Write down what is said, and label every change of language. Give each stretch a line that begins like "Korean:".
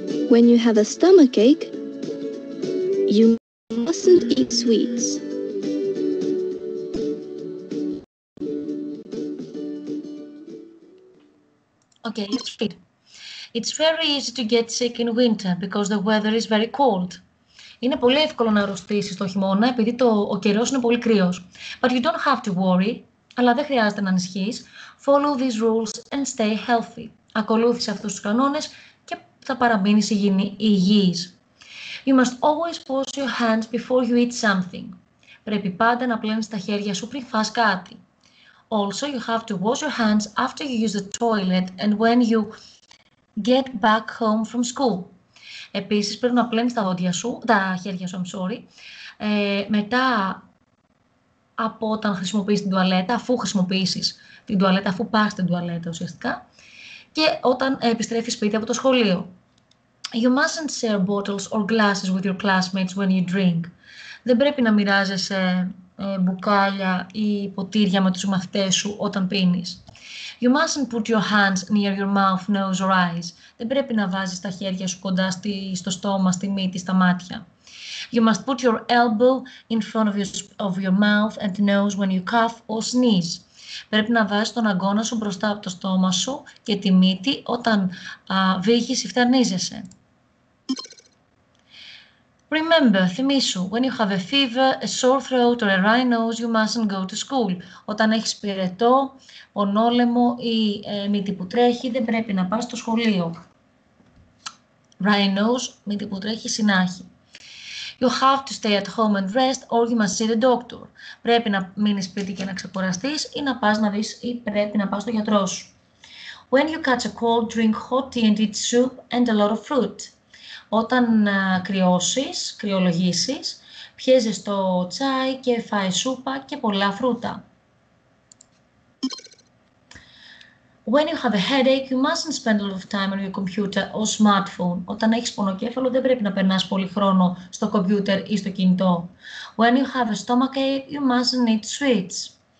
English: When you have a stomach ache, you mustn't eat sweets. Okay, let's read. It's very easy to get sick in winter because the weather is very cold.
Greek: Είναι πολύ εύκολο να αρρωστήσεις το χειμώνα επειδή ο καιρός είναι πολύ κρύος.
English: But you don't have to worry.
Greek: Αλλά δεν χρειάζεται να ανησυχείς.
English: Follow these rules and stay healthy.
Greek: Ακολούθησε αυτούς τους κανόνες. Θα παραμείνεις υγιής.
English: You must always wash your hands before you eat something.
Greek: Πρέπει πάντα να πλένεις τα χέρια σου πριν φας κάτι.
English: Also, you have to wash your hands after you use the toilet and when you get back home from school.
Greek: Επίσης, πρέπει να πλένεις τα χέρια σου,
English: I'm sorry,
Greek: μετά από όταν χρησιμοποιείς την τουαλέτα, αφού χρησιμοποιήσεις την τουαλέτα, αφού πας στην τουαλέτα ουσιαστικά, και όταν επιστρέφεις σπίτι από το σχολείο.
English: You mustn't share bottles or glasses with your classmates when you drink.
Greek: Δεν πρέπει να μοιράζεσαι μπουκάλια ή ποτήρια με τους μαθητές σου όταν πίνεις.
English: You mustn't put your hands near your mouth, nose or eyes.
Greek: Δεν πρέπει να βάζεις τα χέρια σου κοντά στο στόμα, στη μύτη, στα μάτια.
English: You must put your elbow in front of your mouth and nose when you cough or sneeze.
Greek: Πρέπει να βάζεις τον αγκώνα σου μπροστά από το στόμα σου και τη μύτη όταν βήχεις ή φτερνίζεσαι.
English: Remember,
Greek: θυμήσου,
English: when you have a fever, a sore throat or a runny nose, you mustn't go to school.
Greek: Όταν έχεις πυρετό, πονόλαιμο ή μύτη που τρέχει, δεν πρέπει να πας στο σχολείο.
English: Runny nose,
Greek: μύτη που τρέχει, συνάχη.
English: You have to stay at home and rest or you must see the doctor.
Greek: Πρέπει να μείνεις σπίτι και να ξεκουραστείς ή να πας να δεις ή πρέπει να πας στο γιατρό σου.
English: When you catch a cold, drink hot tea and eat soup and a lot of fruit.
Greek: Όταν κρυολογήσεις, πιέζεις το τσάι και φάεις σούπα και πολλά φρούτα.
English: When you have a headache, you mustn't spend a lot of time on your computer or smartphone.
Greek: Όταν έχεις πονοκέφαλο, δεν πρέπει να περνάς πολύ χρόνο στο κομπιούτερ ή στο κινητό.
English: When you have a stomachache, you mustn't eat sweets.